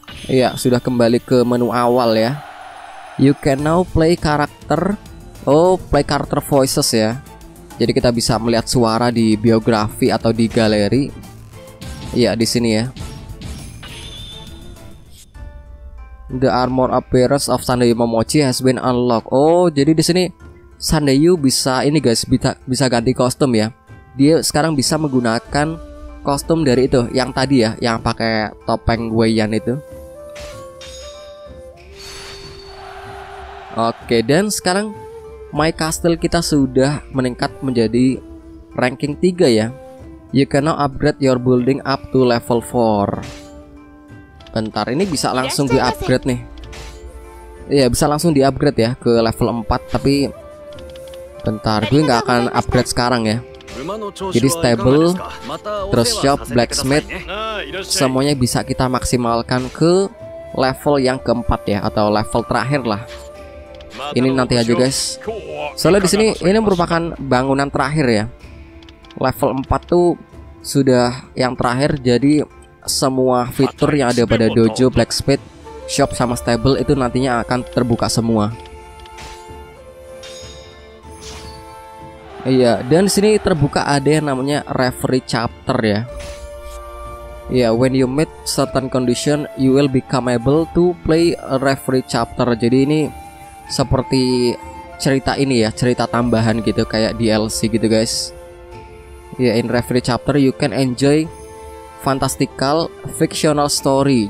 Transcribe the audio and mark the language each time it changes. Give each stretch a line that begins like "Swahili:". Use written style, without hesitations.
Indonesian: Iya, sudah kembali ke menu awal ya.
English: You can now play character.
Indonesian: Oh,
English: play character voices
Indonesian: ya. Jadi kita bisa melihat suara di biografi atau di galeri. Iya, di sini ya.
English: The armor appearance of Sandayu Momochi has been unlocked.
Indonesian: Oh, jadi di sini Sandayu bisa ini guys, bisa ganti kostum ya. Dia sekarang bisa menggunakan kostum dari itu yang tadi ya, yang pakai topeng Weiyan itu. Oke, dan sekarang My Castle kita sudah meningkat menjadi ranking 3 ya.
English: You can now upgrade your building up to level 4.
Indonesian: Bentar, ini bisa langsung di-upgrade nih. Iya, bisa langsung di-upgrade ya ke level 4, tapi bentar, gue nggak akan upgrade sekarang ya. Jadi stable, terus shop, blacksmith, semuanya bisa kita maksimalkan ke level yang keempat ya, atau level terakhir lah. Ini nanti aja guys. Soalnya di sini ini merupakan bangunan terakhir ya. Level 4 tuh sudah yang terakhir, jadi semua fitur yang ada pada dojo, blacksmith, shop sama stable itu nantinya akan terbuka semua. Iya, dan di sini terbuka ada yang namanya referee chapter ya. Iya,
English: when you meet certain condition, you will become able to play a referee chapter.
Indonesian: Jadi ini seperti cerita ini ya, cerita tambahan gitu, kayak DLC gitu guys. Ya,
English: in referee chapter you can enjoy fantastical fictional story.